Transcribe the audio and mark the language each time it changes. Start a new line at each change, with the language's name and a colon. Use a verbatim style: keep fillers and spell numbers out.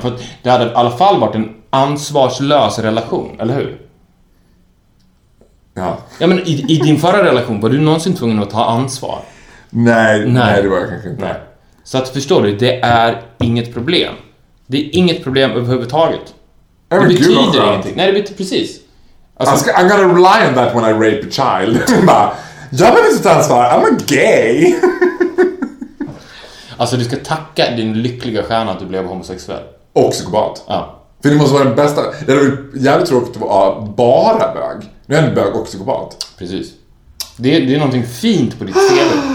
Swedish: För att det hade i alla fall varit en ansvarslös relation, eller hur? Ja. Ja men i, i din förra relation, var du någonsin tvungen att ta ansvar? Nej, nej, nej det var jag kanske inte. Nej. Så att förstår du, det är inget problem. Det är inget problem överhuvudtaget. Det betyder ingenting. Nej, det betyder precis.
English: Alltså, I'm gonna rely on that when I rape a child.
Swedish: Jag vill inte ta ansvar,
English: I'm a gay.
Swedish: Alltså du ska tacka din lyckliga stjärna att du blev homosexuell. Och psykopat. Ja. För det måste vara den bästa. Jag är jävligt tråkigt att vara bara bög. Nu är en bög och psykopat. Precis. Det är, det är någonting fint på ditt C V.